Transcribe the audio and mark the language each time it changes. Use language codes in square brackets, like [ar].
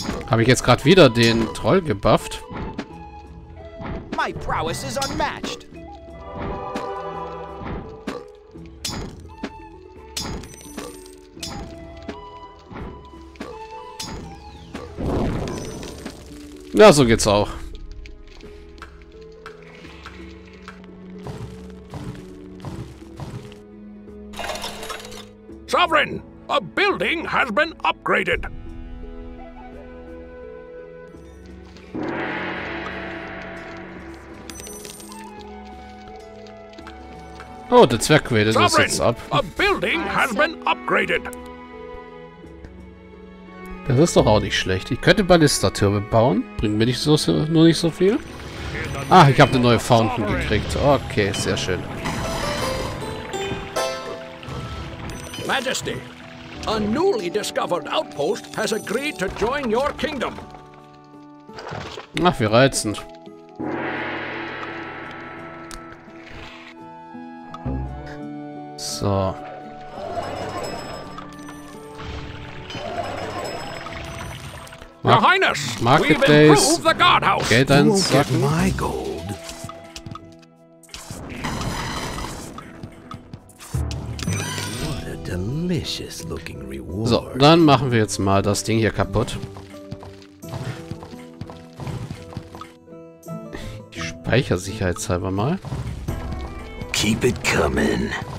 [de] Habe ich jetzt gerade wieder den Troll gebufft? [en] My prowess is unmatched. [de] Ja, so geht's auch. [en] Sovereign, a building has been upgraded. [de] Oh, der Zwerg wählt das jetzt ab. [en] A building has been upgraded. [de] Das ist doch auch nicht schlecht. Ich könnte Ballistertürme bauen. Bringt mir nicht so, nur nicht so viel. Ah, ich habe eine neue Fountain gekriegt. Okay, sehr schön. [en] Majesty, a newly discovered outpost has agreed to join your kingdom. [de] Ach, wie reizend. So. [en] Your Highness, we've improved the guardhouse. [de] Geld einsacken. [en] My gold. What a delicious looking reward. [de] So, dann machen wir jetzt mal das Ding hier kaputt. Ich speichere sicherheitshalber mal. [en] Keep it coming.